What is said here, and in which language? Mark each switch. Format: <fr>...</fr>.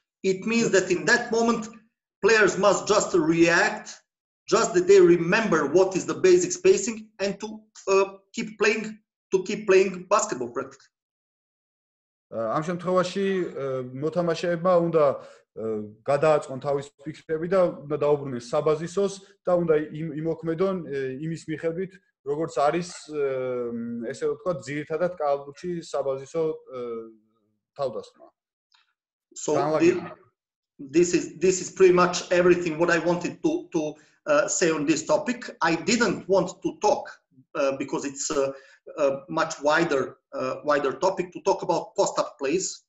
<en>It means that in that moment players must just react just that they remember what is the basic spacing and to keep playing basketball practically.</en> <ka>ამ შემთხვევაში მოთამაშეებმა უნდა გადააწყონ თავის ფიქრები და უნდა დაუბრუნონ საბაზისოს და უნდა იმოქმედონ იმის მიხედვით როგორც არის ესე ვთქვა ძირითადად კალბუჩი საბაზისო თავდასხმა.</ka> <en>So this is pretty much everything what I wanted to say on this topic. I didn't want to talk because it's a much wider topic to talk about post-up plays.</en>